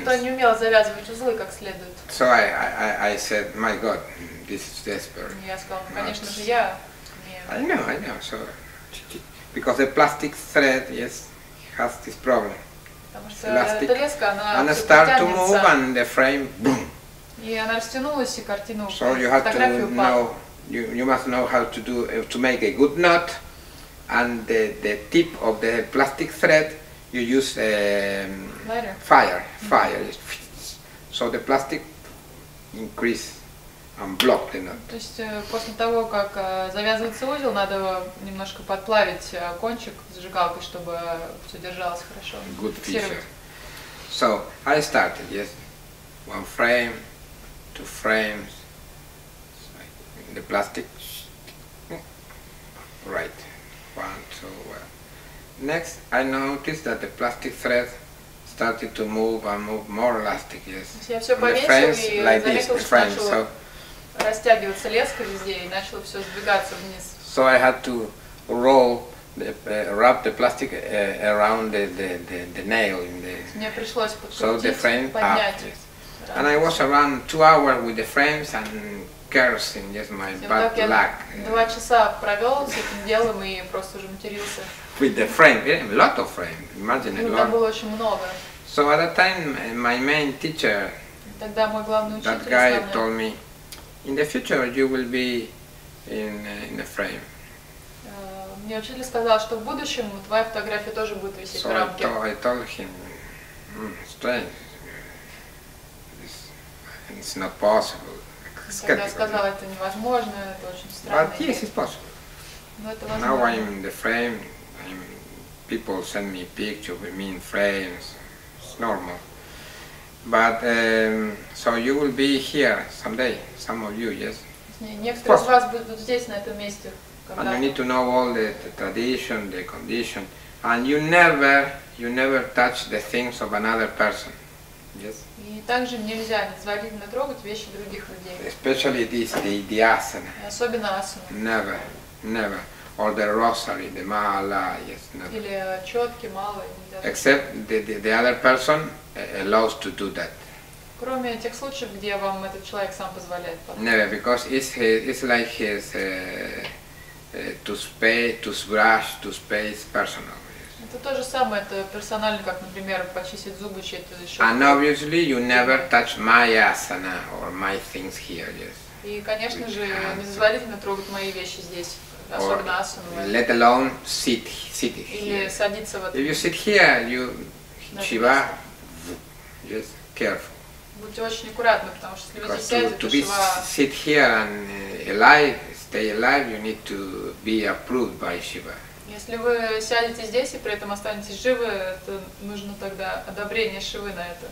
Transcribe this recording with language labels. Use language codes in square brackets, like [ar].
[ru] Никто не умел завязывать узлы как следует. [en] So I said, my God, this is desperate. [ru] Я сказал, конечно же, я умею. [en] I know. So, because the plastic thread, yes, has this problem. [ru] Потому что эта леска, она [en] And start to move and the frame, boom. [ru] И она растянулась, и картина упала. [en] So you have to know, you must know how to make a good knot. and the tip of the plastic thread, you use fire. Mm-hmm. So the plastic increase and block the knot. [ru] То есть после того, как завязывается узел, надо немножко подплавить кончик зажигалки, чтобы все держалось хорошо. [en] Good feature. So I started, yes. One frame, two frames, in the plastic. Right. One, two, one. Next, I noticed that the plastic thread started to move and move more elastic, yes. The frames like this, the frames, so. [ru] Растягиваться леска везде и начало все сдвигаться вниз. [en] So I had to wrap the plastic around the nail in the. [ru] Мне пришлось подкрутить, поднять. [en] And I was around 2 hours with the frames and cursing, yes, my bad luck. [ru] Два часа провел с этим делом и просто уже матерился. [en] With the frame, yeah, a lot of frame. Imagine a lot. [ru] Там было очень много. [en] So at that time, my main teacher. [ru] Тогда мой главный учитель. [en] That guy told me, in the future you will be in the frame. [ru] Мне учитель сказал, что в будущем твоя фотография тоже будет висеть [en] so [ru] в рамке. [en] So I told him, strange. It's not possible. [ru] Я сказал, это невозможно, это очень странно. [en] But yes, it's possible. [ru] Но это возможно. [en] Now I'm in the frame. People send me pictures with me in frames. It's normal. But so you will be here someday. Some of you, yes. [ru] Некоторые из вас будут здесь на этом месте. [en] And you need to know all the tradition, the condition, and you never touch the things of another person. Yes. [ru] И также нельзя незволительно трогать вещи других людей. [en] Especially this, the asana. [ru] Особенно асана. [en] Never, never. Or the rosary, the mala, yes. Not. [ru] Или четки, мала. [en] Except the other person allows to do that. [ru] Кроме тех случаев, где вам этот человек сам позволяет. [en] Never, because it's like his to brush personal. Yes. [ru] Это то же самое, это персонально, как, например, почистить зубы, чьи-то еще. [en] And obviously, you never touch my asana or my things here, yes. [ru] И, конечно же, незволительно трогать мои вещи здесь. [en] Or let alone sit here. If you sit here, you shiva, yes, careful. [ru] Будьте очень аккуратны, потому что если вы здесь сядете, то shiva. [en] To sit here and stay alive, you need to be approved by shiva. [ru] Если вы сядете здесь и при этом останетесь живы, то нужно тогда одобрение шивы на это.